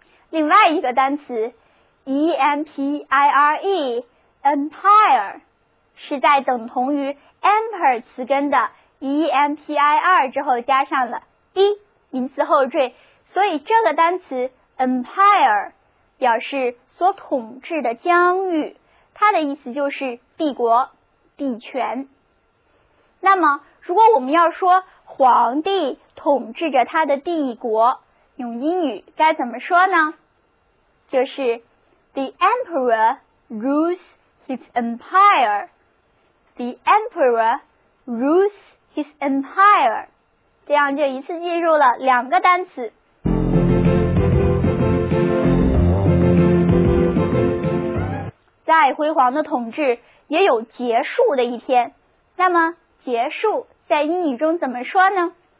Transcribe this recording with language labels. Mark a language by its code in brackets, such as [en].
[zh] 另外一个单词 E-M-P-I-R-E Empire 是在等同于 Emperor 词根的 E-M-P-I-R 之后加上了 E 名词后缀，所以这个单词 empire 表示所统治的疆域，它的意思就是帝国、帝权。那么如果我们要说皇帝统治着他的帝国，用英语该怎么说呢？就是 [en] The emperor rules his empire， The emperor rules his empire。 [zh] 这样就一次记住了两个单词。再辉煌的统治也有结束的一天，那么结束在英语中怎么说呢？